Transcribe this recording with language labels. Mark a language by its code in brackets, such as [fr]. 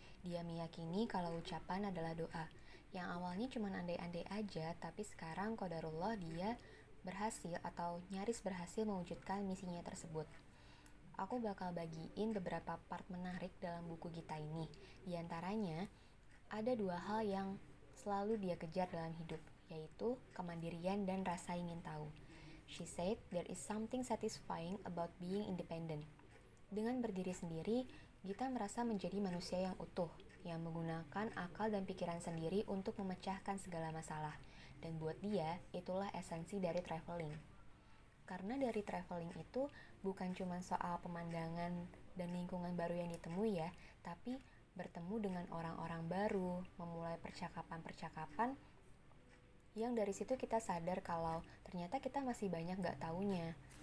[id] Dia meyakini kalau ucapan adalah doa, yang awalnya cuma andai-andai aja, tapi sekarang qadarullah dia berhasil atau nyaris berhasil mewujudkan misinya tersebut. Aku bakal bagiin beberapa part menarik dalam buku Gita ini. Di antaranya, ada dua hal yang selalu dia kejar dalam hidup, yaitu kemandirian dan rasa ingin tahu. [en] She said, there is something satisfying about being independent. [id] Dengan berdiri sendiri, Gita merasa menjadi manusia yang utuh, yang menggunakan akal dan pikiran sendiri untuk memecahkan segala masalah. Dan buat dia, itulah esensi dari traveling. Karena dari traveling itu bukan cuma soal pemandangan dan lingkungan baru yang ditemui ya, tapi bertemu dengan orang-orang baru, memulai percakapan-percakapan, yang dari situ kita sadar kalau ternyata kita masih banyak gak taunya.